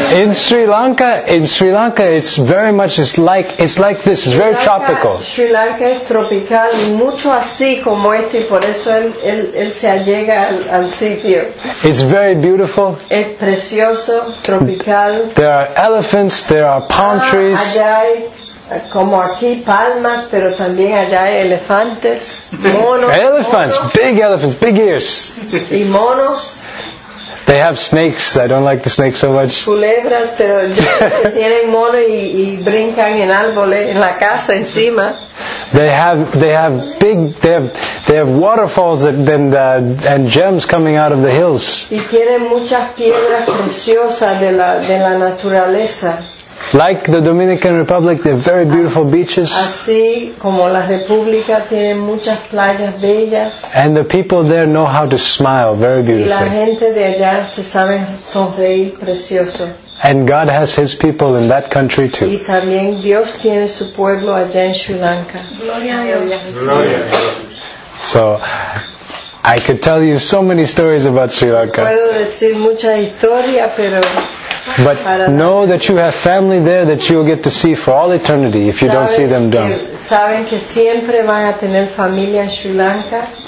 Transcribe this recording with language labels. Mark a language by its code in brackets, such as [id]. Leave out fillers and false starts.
[en] In Sri Lanka, it's very much it's like this. It's very tropical. [es] Sri Lanka es tropical y mucho así como este, y por eso él se allega al sitio. [en] It's very beautiful. [es] Es precioso, tropical. [en] There are elephants. There are palm trees. [es] Allá hay como aquí palmas, pero también allá hay elefantes, monos. [en] Elephants, [es] monos. [en] Big elephants, big ears. [es] Y monos. [en] They have snakes. I don't like the snakes so much. [es] Culebras, pero tienen mono y brincan en árboles en la casa encima. [en] They have waterfalls and gems coming out of the hills. [es] Y tienen muchas piedras preciosas de la naturaleza. [en] Like the Dominican Republic, they have very beautiful beaches. [es] Así como la República tiene muchas playas bellas. [en] And the people there know how to smile very beautifully. [es] Y la gente de allá se sabe sonreír precioso. [en] And God has His people in that country too. [es] Y también Dios tiene su pueblo allá en Sri Lanka. Gloria a Dios. Gloria a Dios. [en] So, I could tell you so many stories about Sri Lanka. [es] Puedo decir mucha historia, pero... [en] But know that you have family there that you'll get to see for all eternity if you don't see them done. [es] Saben que siempre van a tener familia en Sri Lanka.